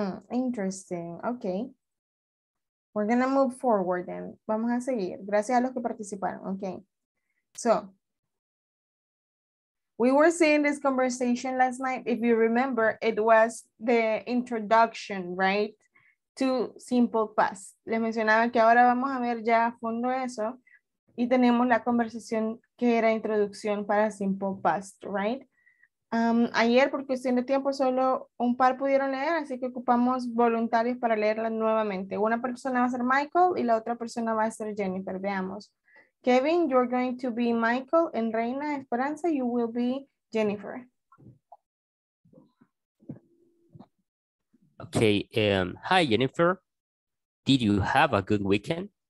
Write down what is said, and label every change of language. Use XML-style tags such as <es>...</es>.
<en>Interesting. Okay. We're going to move forward then.</en> <es>Vamos a seguir. Gracias a los que participaron. Okay.</es> <en>So, we were seeing this conversation last night. If you remember, it was the introduction, right? To simple past.</en> <es>Les mencionaba que ahora vamos a ver ya a fondo eso y tenemos la conversación que era introducción para simple past, right? Ayer, por cuestión de tiempo, solo un par pudieron leer, así que ocupamos voluntarios para leerla nuevamente. Una persona va a ser Michael y la otra persona va a ser Jennifer. Veamos.</es> <en>Kevin, you're going to be Michael, and Reina Esperanza, you will be Jennifer. Okay, hi Jennifer. Did you have a good weekend?</en>